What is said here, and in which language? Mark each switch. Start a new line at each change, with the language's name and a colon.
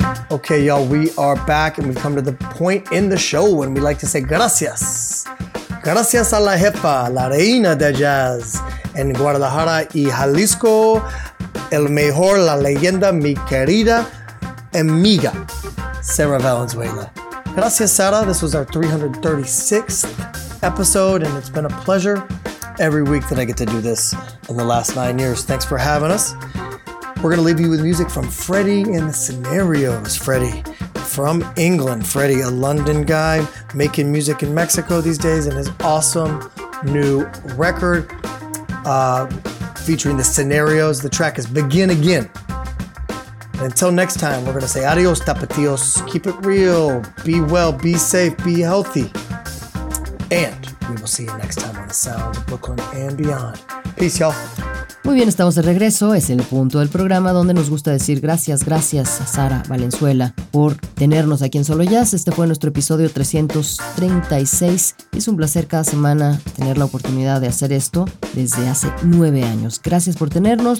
English: Okay, y'all, we are back and we've come to the point in the show when we like to say gracias.
Spanish: Gracias a la jefa, la reina de jazz. En Guadalajara y Jalisco, el mejor, la leyenda, mi querida amiga, Sarah Valenzuela. Gracias, Sarah.
English: This was our 336th episode and it's been a pleasure every week that I get to do this in the last 9 years. Thanks for having us. We're going to leave you with music from Freddie and the Scenarios. Freddie from England. Freddie, a London guy making music in Mexico these days, and his awesome new record featuring the Scenarios. The track is Begin Again. And until next time, we're going to say adios, tapatios. Keep it real. Be well. Be safe. Be healthy. And we will see you next time on The Sound of Brooklyn and Beyond. Peace, y'all.
Spanish: Muy bien, estamos de regreso. Es el punto del programa donde nos gusta decir gracias, gracias a Sara Valenzuela por tenernos aquí en Solo Jazz. Este fue nuestro episodio 336. Es un placer cada semana tener la oportunidad de hacer esto desde hace 9 años. Gracias por tenernos.